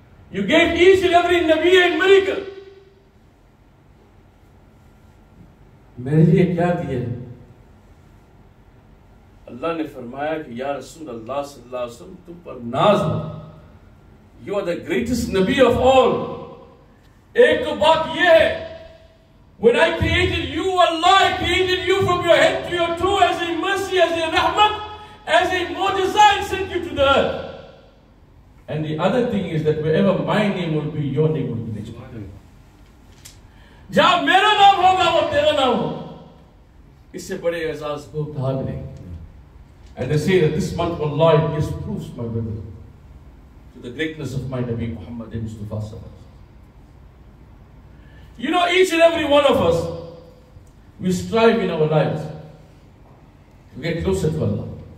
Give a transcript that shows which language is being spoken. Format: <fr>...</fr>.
<en>You gave each and every Nabi a miracle.</en> <ur>میرے لیے کیا دیا ہے؟ اللہ نے فرمایا کہ یا رسول اللہ صلی اللہ علیہ وسلم تم پر ناز ہو,</ur> <en>You are the greatest Nabi of all.</en> <ur>ایک تو بات یہ ہے,</ur> <en>when I created you, Allah, I created you from your head to your toe as a mercy, as a rahmat, as a mu'jiza, and sent you to the earth. And the other thing is that wherever my name will be, your name will be next.</en> <ur>جہاں میرا نام ہوگا وہ تیرا نام ہو, اس سے بڑے اعزاز کو بھاگ لیں.</ur> <en>And they say that this month of Allah gives proofs, my brother, to the greatness of my Nabi Muhammad Mustafa sallallahu alaihi wasallam. You know, each and every one of us, we strive in our lives to get closer to Allah.</en>